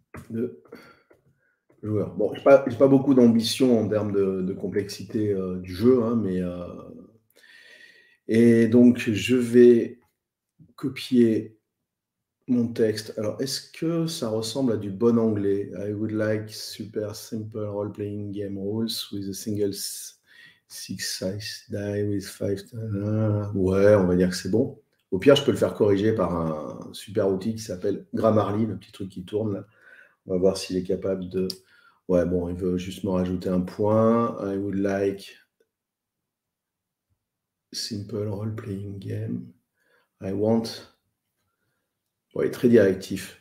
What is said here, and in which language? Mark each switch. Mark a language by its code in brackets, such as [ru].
[fr] De joueurs. Bon, j'ai pas beaucoup d'ambition en termes de complexité du jeu, hein, mais. Et donc, je vais copier mon texte. Alors, est-ce que ça ressemble à du bon anglais? [en] I would like super simple role-playing game rules with a single six-sided die with five. [fr] Ouais, on va dire que c'est bon. Au pire, je peux le faire corriger par un super outil qui s'appelle Grammarly, le petit truc qui tourne là. On va voir s'il est capable de. Ouais, bon, il veut juste me rajouter un point. [en] I would like. Simple role-playing game. I want. [fr] Ouais, très directif.